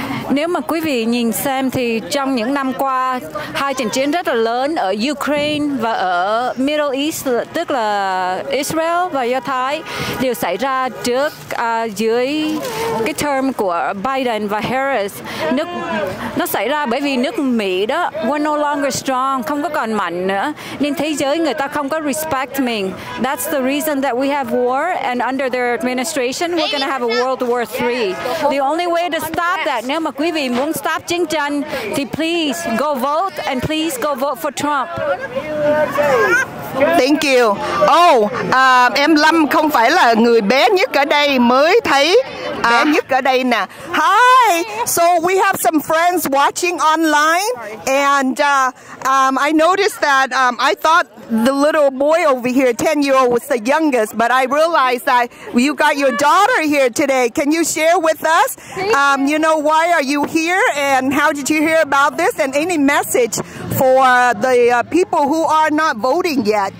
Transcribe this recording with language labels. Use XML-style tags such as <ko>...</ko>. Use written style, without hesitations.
<vi>Nếu mà quý vị nhìn xem thì trong những năm qua, hai trận chiến rất là lớn ở Ukraine và ở Middle East, tức là Israel và Do Thái, đều xảy ra trước dưới cái term của Biden và Harris. Nó xảy ra bởi vì nước Mỹ đó</vi> <en>were no longer strong,</en> <vi>không có còn mạnh nữa, nên thế giới người ta không có respect mình.</vi> <en>That's the reason that we have war, and under their administration we're going to have a World War III. The only way to stop that,</en> <vi>nếu mà quý vị muốn stop chiến tranh thì</vi> <en>please go vote, and please go vote for Trump. Thank you.</en> <vi>Em Lâm không phải là người bé nhất ở đây, mới thấy bé nhất ở đây nè.</vi> <en>Hi, so we have some friends watching online, and I noticed that I thought the little boy over here, 10-year-old, was the youngest, but I realized that you got your daughter here today. Can you share with us, you know, why are you here, and how did you hear about this, and any message for the people who are not voting yet?</en>